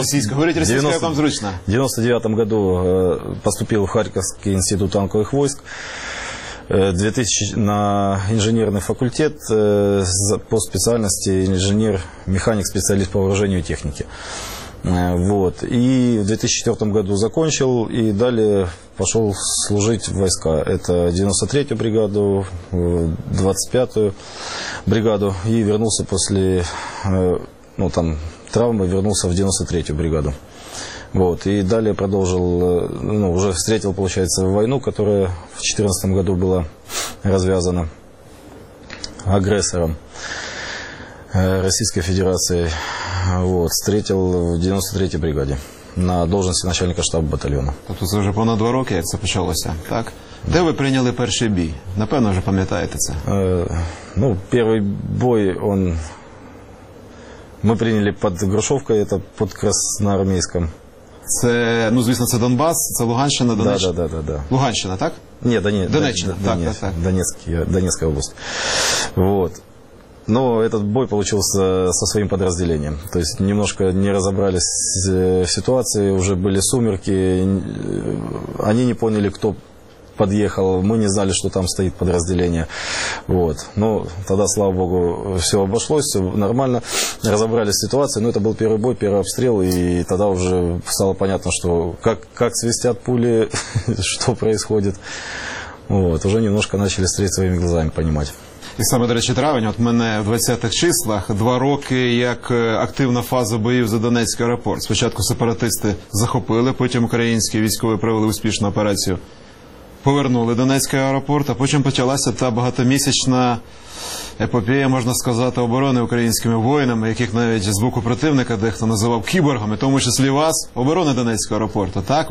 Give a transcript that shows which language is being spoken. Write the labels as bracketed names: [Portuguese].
[Ukrainian] Говорить російською, вам зручно. В 99-му году поступив в Харківський інститут танкових войск. 2000 на інженерний факультет по спеціальності інженер-механік, спеціаліст по вооруженню і техніки. [Russian] Вот. И в 2004 году закончил, и далее пошел служить в войска. Это 93-ю бригаду, 25-ю бригаду, и вернулся после ну, там, травмы, вернулся в 93-ю бригаду. Вот. И далее продолжил, ну, уже встретил, получается, войну, которая в 2014 году была развязана агрессором Российской Федерации. Вот, встретил в 93-й бригаде на должности начальника штаба батальона. [Ukrainian] Тобто це вже понад 2 роки, як це почалося, так? Де ви прийняли перший бій? Напевно, вже пам'ятаєте це. Ну, перший бой, он... ми прийняли під Грушовкою, це під Красноармійськом. Це, ну, звісно, це Донбас, це Луганщина, Донеччина. [Russian] Да. [Ukrainian] Луганщина, так? Ні, Донеччина. Донецька область. Вот. [Russian] Но этот бой получился со своим подразделением. То есть немножко не разобрались в ситуации, уже были сумерки. Они не поняли, кто подъехал, мы не знали, что там стоит подразделение. Вот. Ну, тогда, слава богу, все обошлось, все нормально, разобрали ситуацию. Но это был первый бой, первый обстрел, и тогда уже стало понятно, что как свистят пули, что происходит. Вот. Уже немножко начали стрелять своими глазами, понимать. [Ukrainian] І саме, до речі, травень, от мене в 20-х числах, два роки, як активна фаза боїв за Донецький аеропорт. Спочатку сепаратисти захопили, потім українські військові провели успішну операцію, повернули Донецький аеропорт, а потім почалася та багатомісячна епопея, можна сказати, оборони українськими воїнами, яких навіть з боку противника дехто називав кіборгами, тому числі вас, оборони Донецького аеропорту, так?